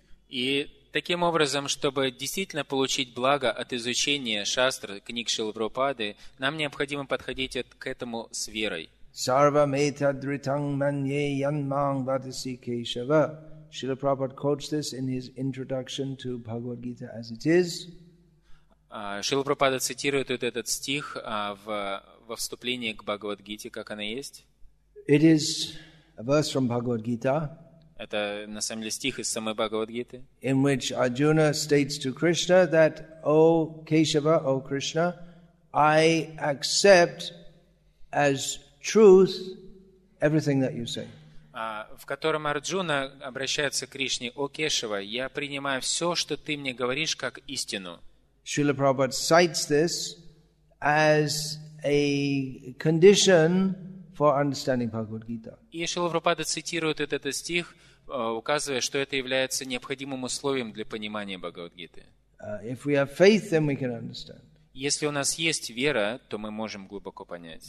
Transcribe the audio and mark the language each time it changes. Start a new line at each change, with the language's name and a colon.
Russian: И таким образом, чтобы действительно получить благо от изучения шастр, книг Шрилы Прабхупады, нам необходимо подходить к этому с верой.
Sanskrit: Sarva metadritang manye yanmang vatasi keshava.
English: Srila Prabhupada quotes this in his introduction to Bhagavad Gita as it is.
Russian: Шрила Прабхупада цитирует вот этот стих во вступлении к Бхагавад Гите, как она есть.
English: It is a verse from Bhagavad Gita.
Russian: Это на самом деле стих из самой Бхагавад Гиты.
English: In which Arjuna states to Krishna that, O Keshava, O Krishna, I accept as truth everything that you say.
Russian: В котором Арджуна обращается к Кришне: О Кешава, я принимаю все, что ты мне говоришь, как истину.
English: Srila Prabhupada cites this as a condition for understanding Bhagavad Gita.
Russian: И Шрила Прабхупада цитирует этот стих, указывая, что это является необходимым условием для понимания Бхагавад-гиты.
English: If we have faith, then we can understand.
Russian: Если у нас есть вера, то мы можем глубоко понять.